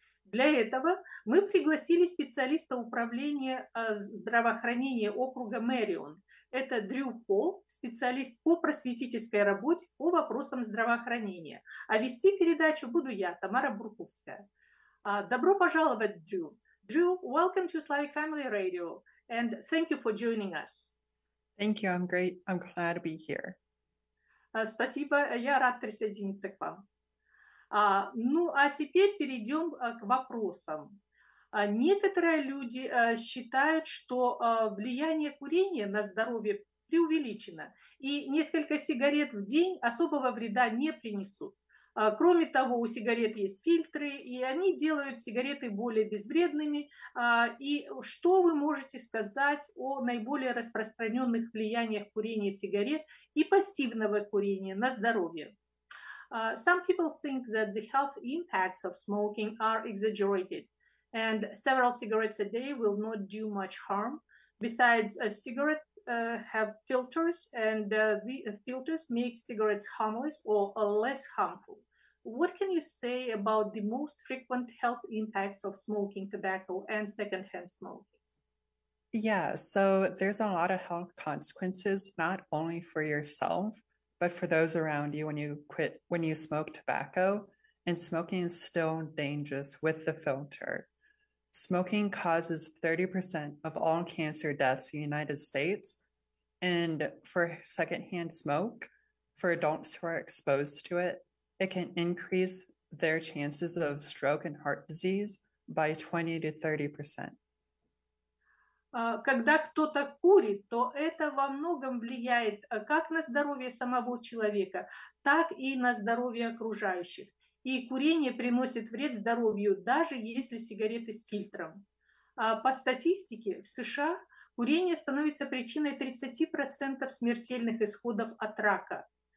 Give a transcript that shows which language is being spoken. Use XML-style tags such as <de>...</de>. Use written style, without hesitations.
<ru>Для этого мы пригласили специалиста управления здравоохранения округа Мэрион. Это Дрю Пол, специалист по просветительской работе по вопросам здравоохранения. А вести передачу буду я, Тамара Бурковская. Добро пожаловать, Дрю.</ru> <en>Дрю, welcome to Slavik Family Radio, and thank you for joining us. Thank you, I'm great. I'm glad to be here.</en> <ru>Спасибо, я рад присоединиться к вам. Ну, а теперь перейдем к вопросам. Некоторые люди считают, что влияние курения на здоровье преувеличено, и несколько сигарет в день особого вреда не принесут. Кроме того, у сигарет есть фильтры, и они делают сигареты более безвредными. И что вы можете сказать о наиболее распространенных влияниях курения сигарет и пассивного курения на здоровье?</ru> <en>Some people think that the health impacts of smoking are exaggerated, and several cigarettes a day will not do much harm. Besides, cigarettes have filters, and the filters make cigarettes harmless or less harmful. What can you say about the most frequent health impacts of smoking tobacco and secondhand smoking? Yeah, so there's a lot of health consequences, not only for yourself, but for those around you when you smoke tobacco, and smoking is still dangerous with the filter. Smoking causes 30% of all cancer deaths in the United States. And for secondhand smoke, for adults who are exposed to it, it can increase their chances of stroke and heart disease by 20 to 30%.</en> <ru>Когда кто-то курит, то это во многом влияет как на здоровье самого человека, так и на здоровье окружающих. И курение приносит вред здоровью, даже если сигареты с фильтром. По статистике, в США курение становится причиной 30% смертельных исходов от рака.</ru>